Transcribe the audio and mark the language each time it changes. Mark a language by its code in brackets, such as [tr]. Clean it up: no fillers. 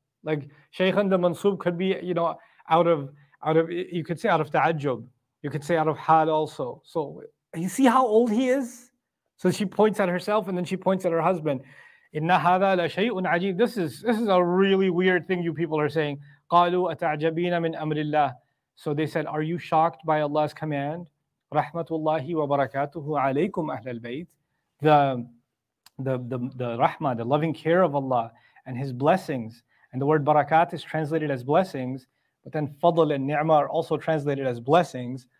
[en] Like Shaykhan the Mansub could be, you know, out of you could say out of ta'ajjub. You could say out of had also. So you see how old he is? So she points at herself and then she points at her husband. [ar] Inna hadha la shay'un ajeeb. [en] This is a really weird thing you people are saying. [ar] قالوا أتعجبين من أمر الله. [en] So they said, are you shocked by Allah's command? [ar] Rahmatullahi wa barakatuhu alaykum ahlal bayt. [en] The rahmah, the loving care of Allah and His blessings. And the word barakat is translated as blessings, but then fadl and ni'mah are also translated as blessings.